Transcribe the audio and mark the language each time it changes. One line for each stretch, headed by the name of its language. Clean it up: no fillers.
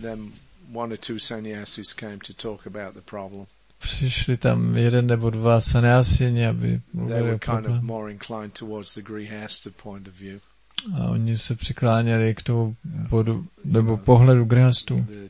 English: Then one or two sannyasis came to talk about the problem.
Czech: Přišli tam jeden nebo dva sannyasini, aby mluvili o problému.
English: They were kind of more inclined towards the grihastha point of view.
Czech: A oni se přikláněli k tomu bodu, nebo pohledu grihastů.